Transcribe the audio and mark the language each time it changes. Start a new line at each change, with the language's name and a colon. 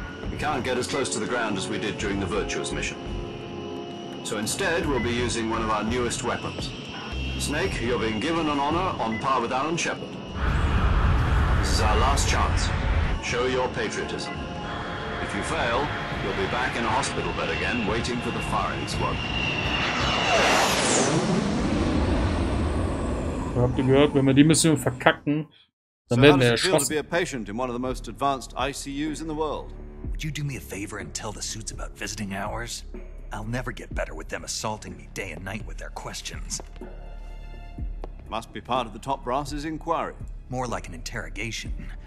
English: We can't get as close to the ground as we did during the Virtuous mission. So instead, we'll be using one of our newest weapons. Snake, you're being given an honor on par with Alan Shepard. This is our last chance. Show your patriotism. If you fail, you'll be back in a hospital bed again, waiting for the firing squad.
German: Habt ihr gehört, wenn wir die Mission verkacken, dann werden wir erschossen.
English: So how does it feel to be a patient in one of the most advanced ICUs in the world? Would you do me a favor and tell the suits about visiting hours? I'll never get better with them assaulting me day and night with their questions. Must be part of the top brass's inquiry. More like an interrogation.